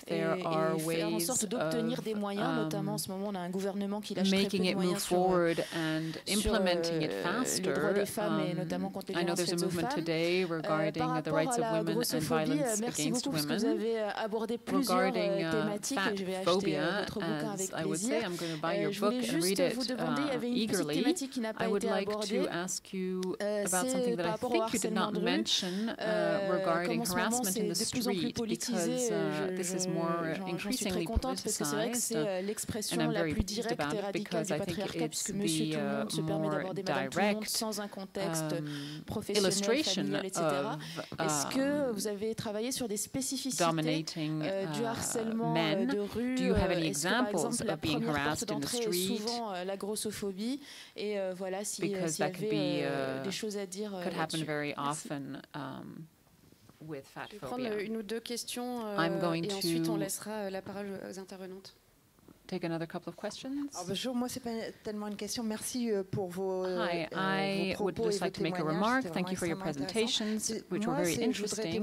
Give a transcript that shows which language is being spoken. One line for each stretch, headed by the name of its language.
French: et faire en sorte d'obtenir des moyens, notamment en ce moment, on a un gouvernement qui lâche très peu de moyens sur les droits des femmes et notamment contre les violences faites aux femmes. Par rapport à la grossophobie, merci beaucoup parce que vous avez abordé plusieurs thématiques et je vais acheter votre bouquin.
English: As I would say, I'm going to buy your book and read it eagerly. I would like to ask you about something that I think you did not mention regarding harassment in the street, because this is more increasingly politicized. And I'm very pleased about it because I think it's the more direct illustration of dominating men. Do you have any examples of being harassed in the street? Because that could be could happen very often. With fat
French: je vais prendre une ou deux questions et ensuite on laissera la parole aux intervenantes.
English: Take another couple of questions.
French: Oh, bonjour, moi c'est pas tellement une question. Merci pour vos
English: Hi, I would just like to make a remark. Thank you for your presentations, which were very interesting.